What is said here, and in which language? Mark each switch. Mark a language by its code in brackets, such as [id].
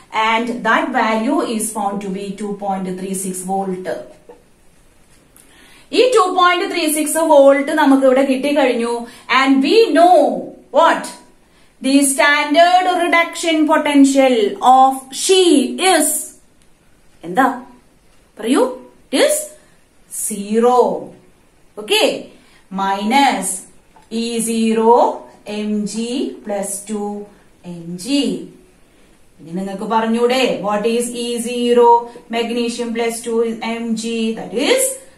[en] And that value is found to be 2.36 volt. [ml] ഈ 2.36 volt നമുക്ക് ഇവിടെ കിട്ടിക്കഴിഞ്ഞു. [en] And we know what the standard reduction potential of SHE is. [ml] എന്താ പറയൂ? [en] It is 0. Okay, minus E0 Mg + 2 Mg. [ml] ഇനി നിങ്ങൾക്ക് പറഞ്ഞൂടെ [en] What is E0 magnesium +2 Mg? That is